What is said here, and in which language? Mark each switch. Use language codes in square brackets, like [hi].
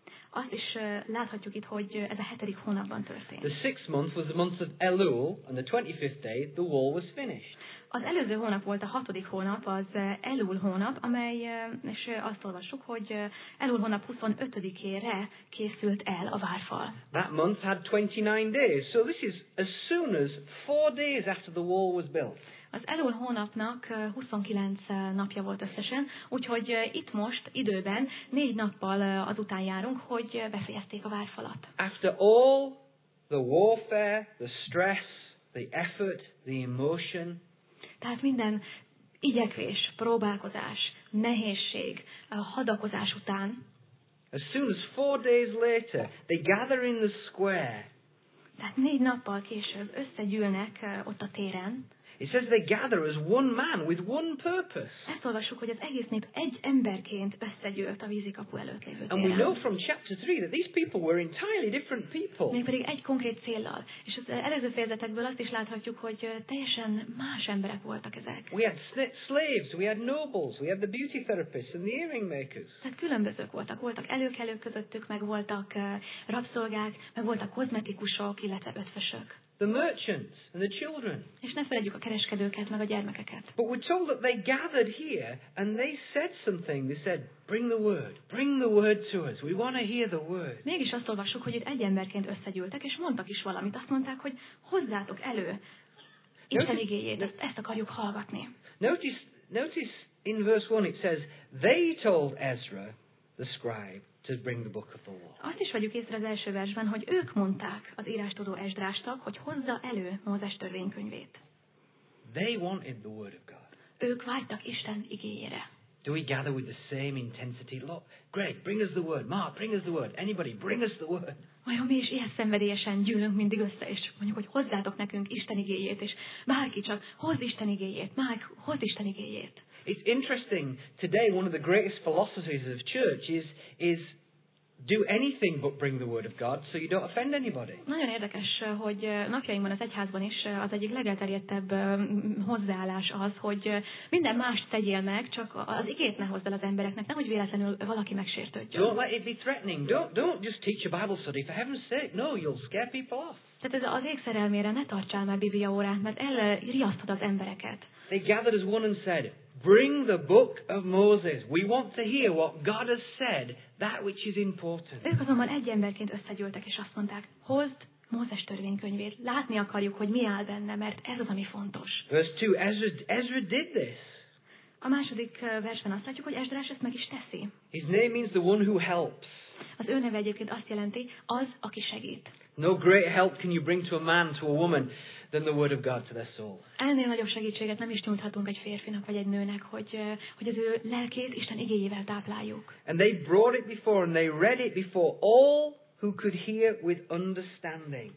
[hu] Azt is láthatjuk itt, hogy ez a hetedik hónapban történt. [en] The sixth month was the month of Elul, and the 25th day the wall was finished. [hu] Az előző hónap volt a hatodik hónap, az Elul hónap, amely, és azt olvassuk, hogy Elul hónap 25-ére készült el a várfal. [en] That month had 29 days, so this is as soon as 4 days after the wall was built. [hu] Az Elul hónapnak 29 napja volt összesen, úgyhogy itt most időben 4 nappal azután járunk, hogy befejezték a várfalat. [en] After all the warfare, the stress, the effort, the emotion. [hu] Tehát minden igyekvés, próbálkozás, nehézség, hadakozás után. [en] As soon as 4 days later, they gather in the square. [hu] Tehát 4 nappal később összegyűlnek ott a téren. [en] It says they gather as one man with one purpose. [hu] Ezt olvassuk, hogy az egész nép egy emberként összegyűlt a vízikapu előtt lévő téren. [en] And we know from chapter 3 that these people were entirely different people. [hu] Mégpedig egy konkrét céllal. És az előző fejezetekből azt is láthatjuk, hogy teljesen más emberek voltak ezek. [en] We had slaves, we had nobles, we had the beauty therapists and the earring makers. [hu] Tehát különbözők voltak. Voltak előkelők közöttük, meg voltak rabszolgák, meg voltak kozmetikusok, illetve ötvösök. [en] The merchants and the children. [hu] És ne feledjük a kereskedőket, meg a gyermekeket. [en] But we're told that they gathered here and they said something. They said, bring the word to us. We want to hear the word. [hu] Mégis azt olvassuk, hogy itt egy emberként összegyűltek, és mondtak is valamit. Azt mondták, hogy hozzátok elő Isten igéjét, ezt akarjuk hallgatni. [en] Notice in verse 1 it says, they told Ezra, the scribe, to bring the book of the law. [hu] Azt is vagyunk észre az első versben, hogy ők mondták az írástudó Esdrásnak, hogy hozza elő Mózes törvénykönyvét. [en] They wanted the word of God. [hu] Ők vágytak Isten igéjére. [en] Do we gather with the same intensity? Look, Greg, bring us the word. Mark, bring us the word. Anybody, bring us the word. [hu] Vajon mi is ilyen szenvedélyesen gyűlünk mindig össze, és mondjuk, hogy hozzátok nekünk Isten igéjét, és bárki csak hozz Isten igéjét. Mark, hozz Isten igéjét. [en] It's interesting, today one of the greatest philosophies of church is do anything but bring the word of God so you don't offend anybody. [hu] Nagyon érdekes, hogy napjainkban az egyházban is az egyik legelterjedtebb hozzáállás az, hogy minden mást tegyél meg, csak az igét ne hozd el az embereknek, nehogy véletlenül valaki megsértődjön. [en] Don't let it be threatening. Don't just teach a Bible study, for heaven's sake. No, you'll scare people off. [hu] Tehát ez az ég szerelmére ne tartsál már Biblia órát, mert elriasztod az embereket. [en] They gathered as one and said, bring the book of Moses. We want to hear what God has said, that which is important. [hu] Ők azonban egy emberként összegyűltek, és azt mondták, hozd Mózes törvénykönyvét. Látni akarjuk, hogy mi áll benne, mert ez az, ami fontos. [en] Verse 2, Ezra did this. [hu] A második versben azt látjuk, hogy Esdrás ezt meg is teszi. [en] His name means the one who helps. [hu] Az ő neve egyébként azt jelenti, az, aki segít. [en] No great help can you bring to a man, to a woman. than the word of God to their soul. [hu] Ennél nagyobb segítséget nem is nyújthatunk egy férfinak vagy egy nőnek, hogy az ő lelkét Isten igéjével tápláljuk. [en] And they brought it before and they read it before all who could hear with understanding.